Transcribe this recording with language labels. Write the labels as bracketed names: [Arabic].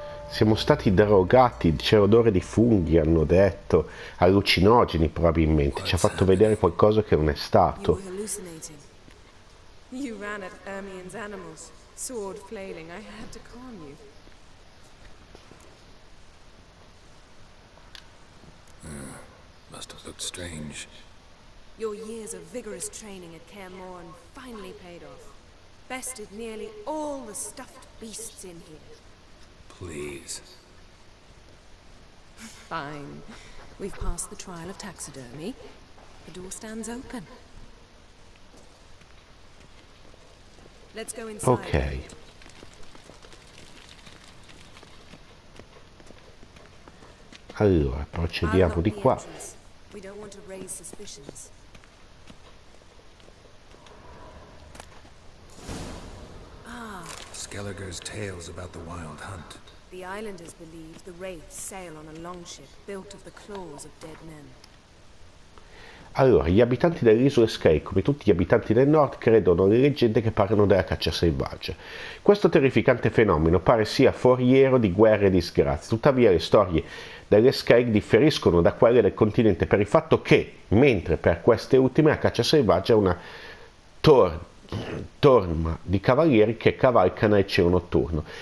[Italian] Siamo stati drogati, c'è odore di funghi, hanno detto, allucinogeni probabilmente, ci ha fatto vedere qualcosa che non è stato. [English] You ran at Ermion's animals, sword flailing, I had to calm you. Must have looked strange. Your years of vigorous training at Kaer Morhen finally paid off. Bested nearly all the stuffed beasts in here. Please. Fine. We've passed the trial of taxidermy. The door stands open. Let's go inside. Okay. [Italian] Allora, procediamo di qua. [English] We don't want to raise suspicions. Gallagher's tales about the wild hunt. The islanders believe the wraiths sail on a longship built of the claws of dead men. [Italian] Allora, gli abitanti dell'isola Skye, come tutti gli abitanti del nord, credono alle leggende che parlano della caccia selvaggia. Questo terrificante fenomeno pare sia foriero di guerre e disgrazie. Tuttavia, le storie delle Skye differiscono da quelle del continente per il fatto che, mentre per queste ultime, la caccia selvaggia è una torma di cavalieri che cavalcano il cielo notturno.